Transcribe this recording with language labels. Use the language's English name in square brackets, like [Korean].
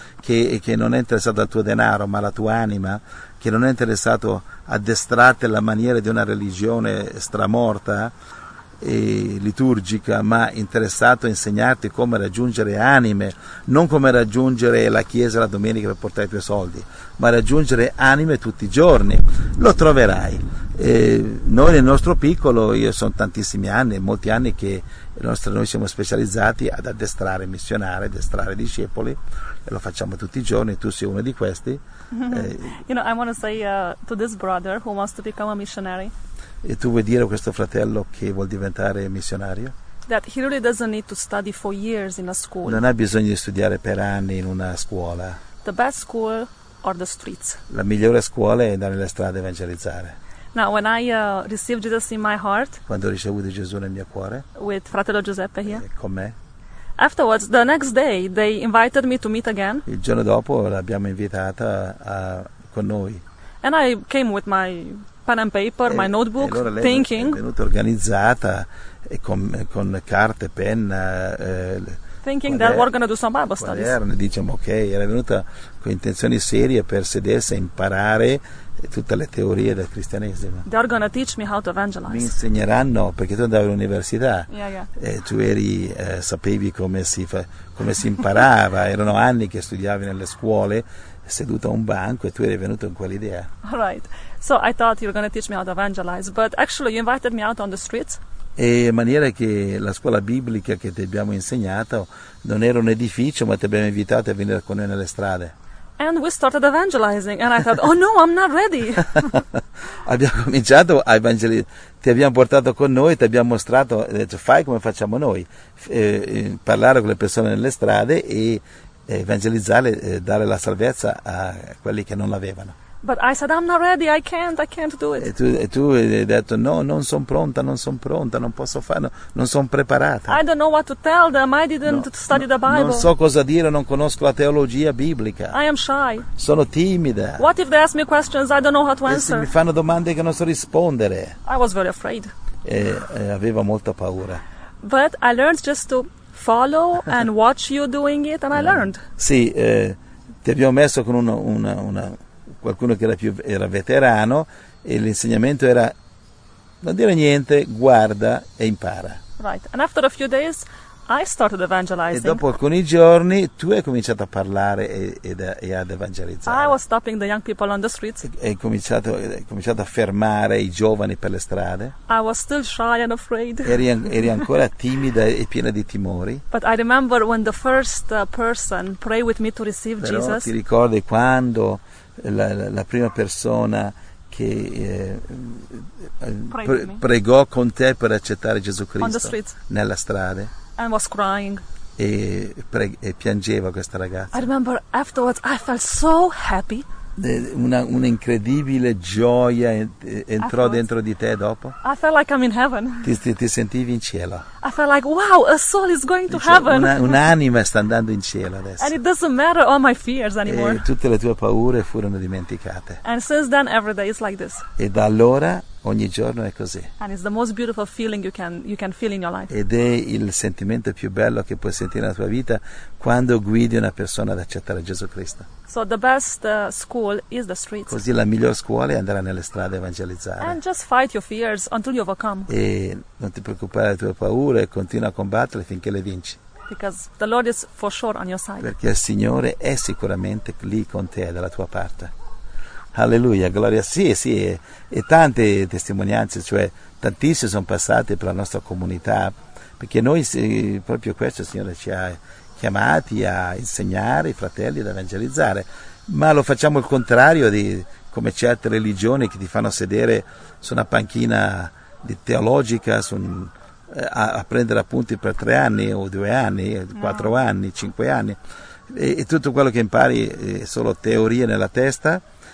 [Italian] che non è interessato al tuo denaro, ma alla tua anima, che non è interessato a distrarti alla maniera di una religione stramorta e liturgica, ma interessato a insegnarti come raggiungere anime, non come raggiungere la chiesa la domenica per portare i tuoi soldi, ma raggiungere anime tutti i giorni, lo troverai. E noi nel nostro piccolo, io sono tantissimi anni, molti anni che noi siamo specializzati ad addestrare missionari, addestrare discepoli, e lo facciamo tutti i giorni. Tu sei uno di questi. [English] You know, I want to say to this brother who wants to become a missionary. [Italian] E tu vuoi dire a questo fratello che vuol diventare missionario? [English] That he really doesn't need to study for years in a school. [Italian] Non ha bisogno di studiare per anni in una scuola. [English] The best school or the streets. [Italian] La migliore scuola è andare nelle strade a evangelizzare. [English] Now, when I received Jesus in my heart. [Italian] Quando ho ricevuto Gesù nel mio cuore. [English] With fratello Giuseppe here. [Italian] Con me. [English] Afterwards, the next day, they invited me to meet again. [Italian] Il giorno dopo l'abbiamo invitata con noi. [English] And I came with my pen and paper, my notebook, [Italian] e allora lei [English] thinking. [Italian] È venuta organizzata e con carte, penna. [English] Thinking that we're going to do some Bible studies. [Italian] Erano, diciamo, ok, era venuta con intenzioni serie per sedersi e imparare tutte le teorie del cristianesimo. [English] They're going to teach me how to evangelize. [Italian] Mi insegneranno, perché tu andavi all'università. [English] Yeah, yeah. [Italian] E tu eri, sapevi come si imparava. Erano anni che studiavi nelle scuole, seduto a un banco, e tu eri venuto con quell'idea. [English] All right. So I thought you were going to teach me how to evangelize, but actually you invited me out on the streets. [Italian] E in maniera che la scuola biblica che ti abbiamo insegnato non era un edificio, ma ti abbiamo invitato a venire con noi nelle strade. [English] And we started evangelizing, and I thought, oh no, I'm not ready. [Italian] Abbiamo cominciato a evangelizzare, ti abbiamo portato con noi, ti abbiamo mostrato, detto, fai come facciamo noi, parlare con le persone nelle strade e evangelizzare, dare la salvezza a quelli che non l'avevano. [English] But I said, I'm not ready, I can't do it. [Italian] E tu hai detto, no, non sono pronta, non posso fare, no, non sono preparata. [English] I don't know what to tell them, I didn't study the Bible. [Italian] Non so cosa dire, non conosco la teologia biblica. [English] I am shy. [Italian] Sono timida. [English] What if they ask me questions I don't know how to answer? [Italian] E se mi fanno domande che non so rispondere? [English] I was very afraid. [Italian] E avevo molta paura. [English] But I learned just to follow and watch you doing it, and I learned. [Italian] Sì, ti abbiamo messo con una qualcuno che era veterano, e l'insegnamento era non dire niente, guarda e impara. [English] Right. And after a few days, I started evangelizing. [Italian] E dopo alcuni giorni tu hai cominciato a parlare e ad evangelizzare. [English] I was stopping the young people on the streets. [Italian] E hai cominciato a fermare i giovani per le strade. [English] I was still shy and afraid. [Italian] Eri ancora timida e piena di timori. [English] But I remember when the first person prayed with me to receive [Italian] Però [English] Jesus. [Italian] Ti ricordi quando la prima persona che pregò con te per accettare Gesù Cristo nella strada, [English] and was crying. [Italian] E piangeva questa ragazza. [English] I remember afterwards I felt so happy. [Italian] Una incredibile gioia entrò dentro di te dopo. [English] I felt like I'm in heaven. [Italian] Ti sentivi in cielo. [English] I felt like, wow, a soul is going to heaven. [Italian] Un'anima sta andando in cielo adesso. [English] And it doesn't matter all my fears anymore. [Italian] E tutte le tue paure furono dimenticate. [English] And since then every day is like this. [Italian] E da allora Ogni giorno è così. [English] And it's the most beautiful feeling you can feel in your life. [Italian] Ed è il sentimento più bello che puoi sentire nella tua vita quando guidi una persona ad accettare Gesù Cristo. [English] So the best school is the streets. [Italian] Così la miglior scuola è andare nelle strade a evangelizzare. [English] And just fight your fears until you overcome. [Italian] E non ti preoccupare delle tue paure e continua a combattere finché le vinci. [English] Because the Lord is for sure on your side. [Italian] Perché il Signore è sicuramente lì con te, dalla tua parte. Alleluia, gloria, sì, e tante testimonianze, cioè tantissime sono passate per la nostra comunità, perché noi proprio questo il Signore ci ha chiamati a insegnare i fratelli ad evangelizzare, ma lo facciamo il contrario di come certe religioni che ti fanno sedere su una panchina di teologica a prendere appunti per 3 anni o 2 anni, 4 anni, 5 anni, e tutto quello che impari è solo teorie nella testa.